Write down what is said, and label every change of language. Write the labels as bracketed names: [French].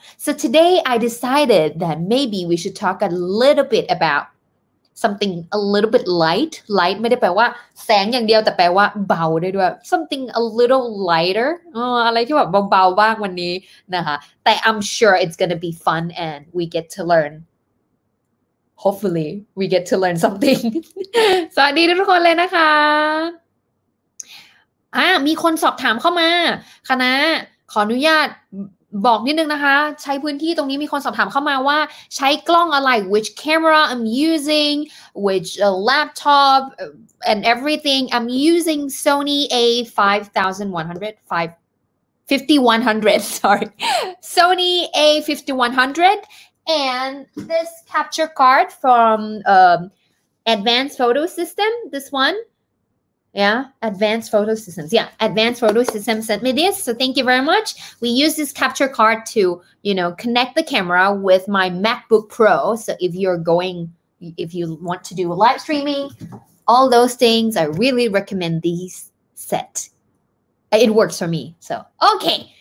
[English] So today I decided that maybe we should talk a little bit about something a little bit light. [Thai] Light ไม่ได้แปลว่าแสงอย่างเดียวแต่แปลว่าเบาได้ด้วย [English] Something a little lighter. [Thai] อะไรที่แบบเบาๆบ้างวันนี้นะคะ แต่ [English] I'm sure it's gonna be fun and we get to learn. Hopefully, we get to learn something. [Thai] สวัสดีทุกคนเลยนะคะมีคนสอบถามเข้ามาคณะขออนุญาต บอกนิดนึงนะคะใช้พื้นที่ตรงนี้มีคนสอบถามเข้ามาว่าใช้กล้องอะไร [English] which camera I'm using which laptop and everything I'm using Sony A5100 And this capture card from Advanced Photo System, this one. Yeah, Advanced Photo Systems. Yeah, Advanced Photo Systems sent me this. So thank you very much. We use this capture card to, you know, connect the camera with my MacBook Pro. So if you're going, if you want to do live streaming, all those things, I really recommend these set. It works for me. So, okay.